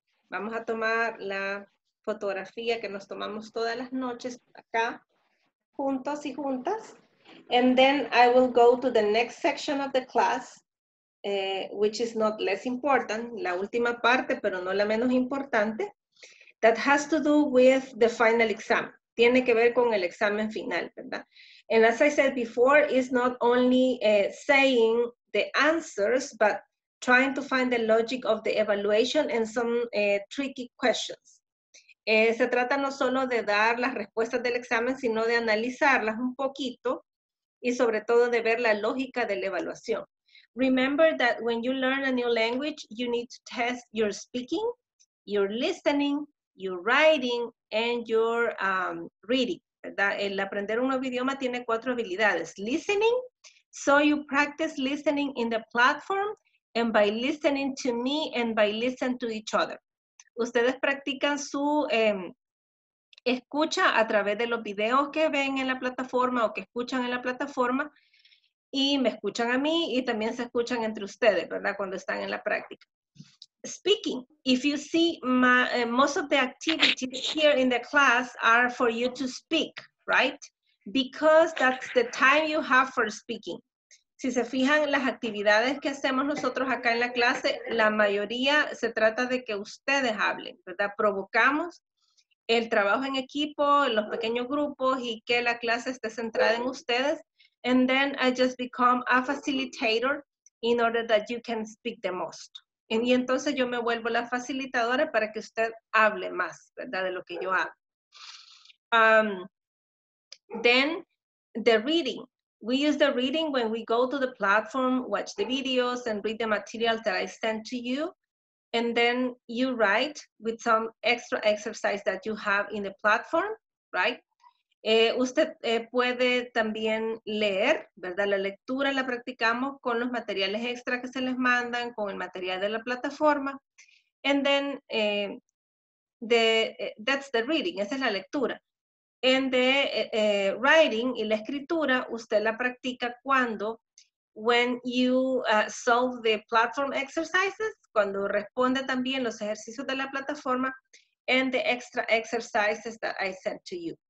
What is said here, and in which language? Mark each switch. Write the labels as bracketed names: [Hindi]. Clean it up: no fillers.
[Spanish] Vamos a tomar la fotografía que nos tomamos todas las noches acá, juntos y juntas. [English] And then I will go to the next section of the class, which is not less important, [Spanish] la última parte, pero no la menos importante, [English] that has to do with the final exam. [Spanish] Tiene que ver con el examen final, ¿verdad? [English] And as I said before, it's not only saying the answers, but trying to find the logic of the evaluation and some tricky questions. [Spanish] Se trata no solo de dar las respuestas del examen, sino de analizarlas un poquito y sobre todo de ver la lógica de la evaluación. [English] Remember that when you learn a new language, you need to test your speaking, your listening, your writing, and your reading. [Spanish] ¿Verdad? El aprender un nuevo idioma tiene cuatro habilidades. [English] Listening, so you practice listening in the platform and by listening to me and by listening to each other. [Spanish] Ustedes practican su escucha a través de los videos que ven en la plataforma o que escuchan en la plataforma y me escuchan a mí y también se escuchan entre ustedes, ¿verdad? Cuando están en la práctica. [English] Speaking, if you see most of the activities here in the class are for you to speak, right? Because that's the time you have for speaking. [Spanish] Si se fijan, las actividades que hacemos nosotros acá en la clase, la mayoría se trata de que ustedes hablen, ¿verdad? Provocamos el trabajo en equipo, los pequeños grupos y que la clase esté centrada en ustedes. [English] And then I just become a facilitator in order that you can speak the most. [Spanish] Y entonces yo me vuelvo la facilitadora para que usted hable más, ¿verdad? De lo que yo hablo. [English] Then, the reading. We use the reading when we go to the platform, watch the videos, and read the material that I send to you. And then you write with some extra exercise that you have in the platform, right? [Spanish] Usted puede también leer, ¿verdad? La lectura la practicamos con los materiales extra que se les mandan, con el material de la plataforma. [English] And then, that's the reading, [Spanish] esa es la lectura. [English] And the writing [Spanish] y la escritura, usted la practica cuando, [English] when you solve the platform exercises, [Spanish] cuando responde también los ejercicios de la plataforma, [English] and the extra exercises that I sent to you.